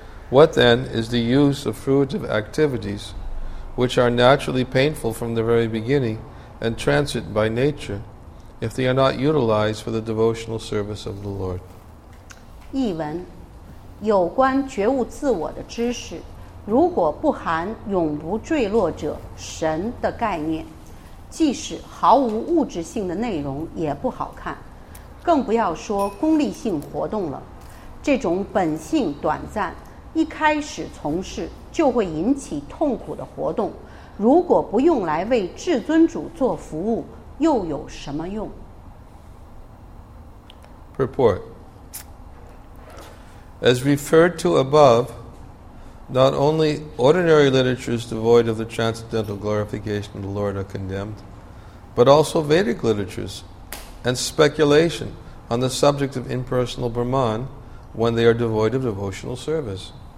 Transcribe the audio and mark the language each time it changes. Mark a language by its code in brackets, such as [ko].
[en] What then is the use of fruitive activities, which are naturally painful from the very beginning,and transit by nature, if they are not utilized for the devotional service of the Lord. [zh] 译文，有关觉悟自我的知识，如果不含永不坠落者神的概念，即使毫无物质性的内容也不好看，更不要说功利性活动了。这种本性短暂，一开始从事就会引起痛苦的活动。如果不用来为至尊主做服务，又有什么用 [en] ？Purport. As referred to above, not only ordinary literatures devoid of the transcendental glorification of the Lord are condemned, but also Vedic literatures and speculation on the subject of impersonal Brahman when they are devoid of devotional service.